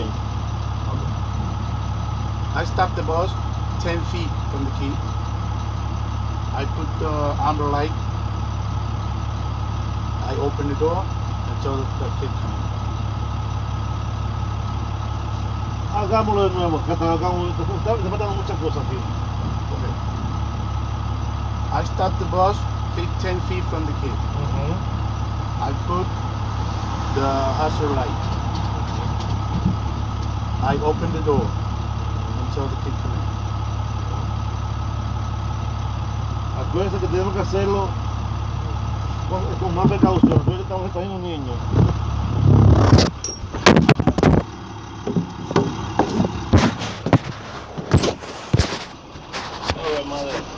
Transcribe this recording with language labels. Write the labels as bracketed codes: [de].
[en] I stop the bus 10 feet from the kid. I put the amber light. I open the door and tell the kid to come. [es] Hagámoslo de nuevo, te faltan muchas cosas aquí. [en] Okay. I start the bus 10 feet from the kid. Mm-hmm. I put the hazard light. I open the door and tell the kid to come. [es] Acuérdense que tenemos que hacerlo con más precaución, porque estamos recogiendo un niño. Oh, madre.